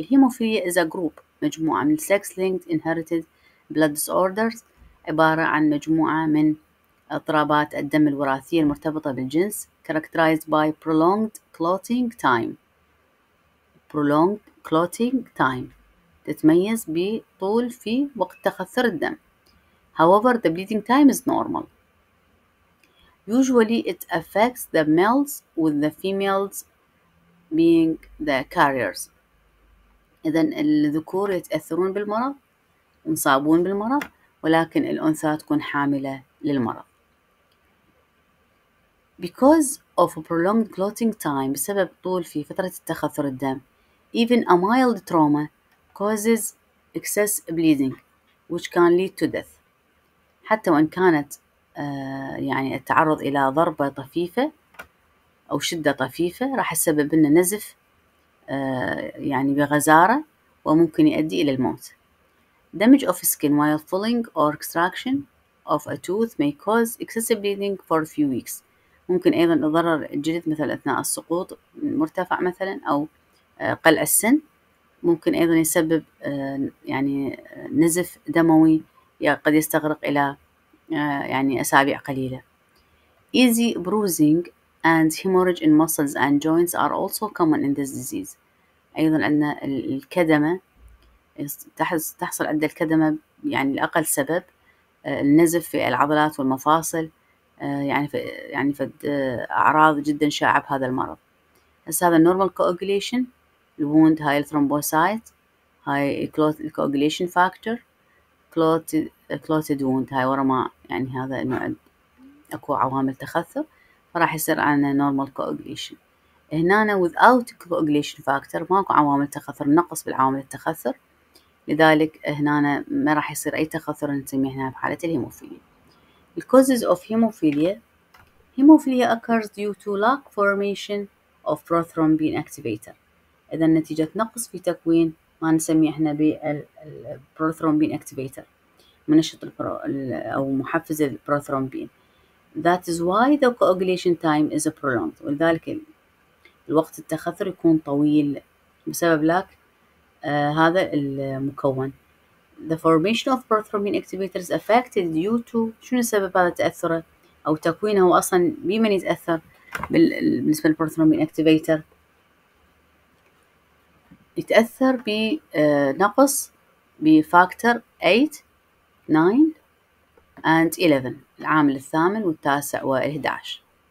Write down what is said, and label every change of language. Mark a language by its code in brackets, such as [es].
[en] الهيموفيليا is a group، [ar] مجموعة من [en] sex linked inherited blood disorders، [ar] عبارة عن مجموعة من اضطرابات الدم الوراثية المرتبطة بالجنس، [en] characterized by prolonged clotting time. Prolonged clotting time [ar] تتميز بطول في وقت تخثر الدم. [en] However, the bleeding time is normal. Usually it affects the males, with the females being the carriers. [ar] إذن الذكور يتأثرون بالمرض، ينصابون بالمرض، ولكن الأنثى تكون حاملة للمرض. [en] Because of a prolonged clotting time، [ar] بسبب طول في فترة التخثر الدم، [en] even a mild trauma causes excess bleeding which can lead to death. [ar] حتى وإن كانت يعني التعرض إلى ضربة طفيفة أو شدة طفيفة راح تسبب لنا نزف يعني بغزارة، وممكن يؤدي إلى الموت. [en] Damage of skin while pulling or extraction of a tooth may cause excessive bleeding for a few weeks. [ar] ممكن أيضا ضرر الجلد مثلا أثناء السقوط مرتفع مثلا أو قلع السن، ممكن أيضا يسبب يعني نزف دموي قد يستغرق إلى يعني أسابيع قليلة. [en] Easy bruising and hemorrhage in muscles and joints are also common in this disease. [ar] أيضا عندنا الكدمة، تحصل عند الكدمة يعني الأقل سبب النزف في العضلات والمفاصل، يعني في أعراض جدا شائعة بهذا المرض. هسه هذا normal coagulation، الwound هاي thrombocyte، هاي coagulation factor، clotted wound هاي ورا ما يعني هذا إنه أكو عوامل تخثر، فراح يصير عنا normal coagulation. هنا [en] without coagulation factor [ar] ماكو عوامل تخثر، نقص بالعوامل التخثر، لذلك هنا ما راح يصير أي تخثر، نسميه هنا بحالة الهيموفيليا. [en] The causes of hemophilia. Hemophilia occurs due to lack formation of prothrombin activator. [ar] إذا نتيجة نقص في تكوين ما نسميه هنا بالبروثرومبين اكتيفيتر، منشط أو محفز البروثرومبين. [en] That is why the coagulation time is prolonged. [ar] ولذلك الوقت التخثر يكون طويل بسبب لك هذا المكون. [en] The formation of prothrombin activator is affected due to [ar] شنو سبب هذا التأثر أو تكوينه، وأصلا بمن يتأثر بالنسبة للبروثرومبين activator؟ يتأثر بنقص بفاكتور 8, 9, and 11، العامل الثامن والتاسع والهداش.